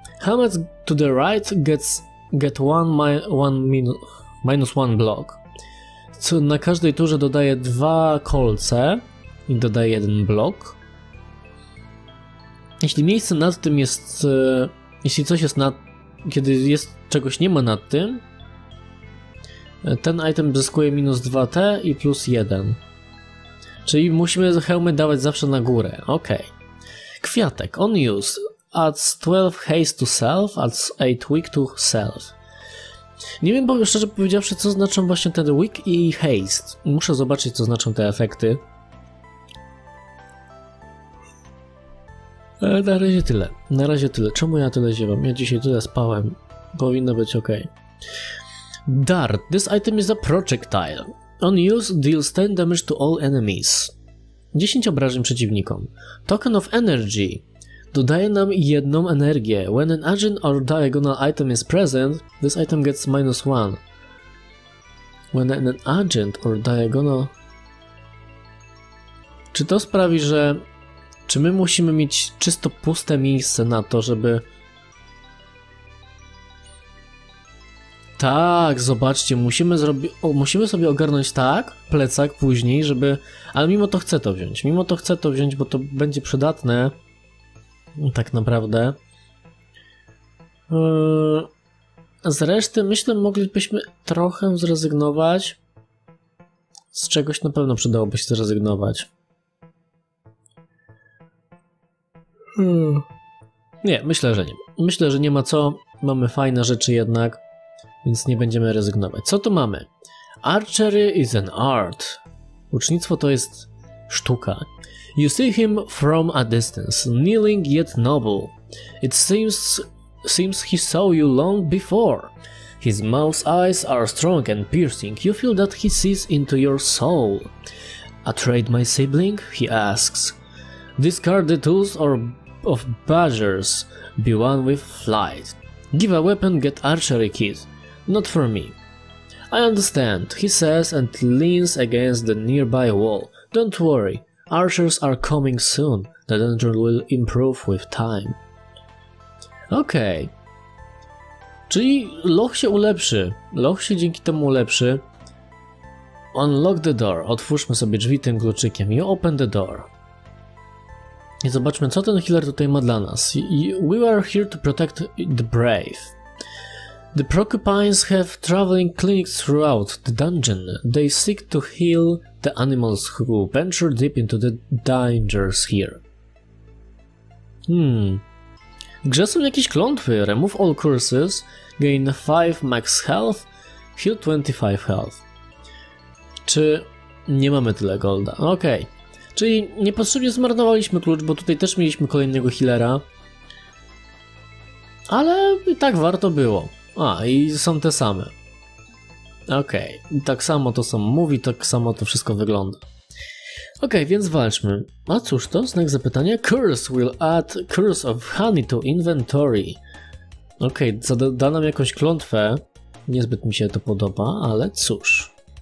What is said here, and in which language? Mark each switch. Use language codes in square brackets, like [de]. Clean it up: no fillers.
[en] Helmet to the right gets get one, minus one block. [pl] Co na każdej turze dodaje dwa kolce i dodaje jeden blok. Jeśli miejsce nad tym jest, jeśli coś jest nad, kiedy jest czegoś nie ma nad tym, ten item zyskuje minus 2T i plus 1. Czyli musimy hełmy dawać zawsze na górę. [en] Ok. Kwiatek. On use. Adds 12 haste to self, adds 8 weak to self. [pl] Nie wiem, bo szczerze powiedziawszy, co znaczą właśnie ten weak i haste. Muszę zobaczyć, co znaczą te efekty. Ale na razie tyle. Na razie tyle. Czemu ja tyle ziewam? Ja dzisiaj tyle spałem. Powinno być ok. Dart. [en] This item is a projectile. On use deals 10 damage to all enemies. [pl] 10 obrażeń przeciwnikom. [en] Token of energy. [pl] Dodaje nam jedną energię. [en] When an agent or diagonal item is present, this item gets minus one. When an agent or diagonal... [pl] Czy to sprawi, że... Czy my musimy mieć czysto puste miejsce na to, żeby... Tak, zobaczcie, musimy sobie ogarnąć tak plecak później, żeby... Ale mimo to chcę to wziąć, bo to będzie przydatne. Tak naprawdę. Z reszty myślę, moglibyśmy trochę zrezygnować. Z czegoś na pewno przydałoby się zrezygnować. Nie, myślę, że nie. Myślę, że nie ma co. Mamy fajne rzeczy jednak, więc nie będziemy rezygnować. Co tu mamy? [en] Archery is an art. [pl] Łucznictwo to jest sztuka. [en] You see him from a distance, kneeling yet noble. It seems he saw you long before. His mouth's eyes are strong and piercing. You feel that he sees into your soul. A trade, my sibling? He asks. Discard the tools of badgers. Be one with flight. Give a weapon, get archery keys. Not for me. I understand, he says and leans against the nearby wall. Don't worry. Archers are coming soon. The danger will improve with time. [pl] Okej. Okay. Czyli loch się ulepszy. Loch się dzięki temu ulepszy. [en] Unlock the door. [pl] Otwórzmy sobie drzwi tym kluczykiem. [en] You open the door. [pl] I zobaczmy, co ten healer tutaj ma dla nas. [en] We are here to protect the brave. The porcupines have traveling clinics throughout the dungeon. They seek to heal the animals who venture deep into the dangers here. [pl] W grze są jakieś klątwy. [en] Remove all curses, gain 5 max health, heal 25 health. [pl] Czy nie mamy tyle golda? Okej. Okay. Czyli niepotrzebnie zmarnowaliśmy klucz, bo tutaj też mieliśmy kolejnego healera. Ale i tak warto było. A, i są te same. Okej, okay. Tak samo to są mówi, tak samo to wszystko wygląda. Okej, okay, więc walczmy. A cóż to? Znak zapytania. [en] Curse will add curse of honey to inventory. [pl] Okej, okay, da nam jakąś klątwę. Niezbyt mi się to podoba, ale cóż.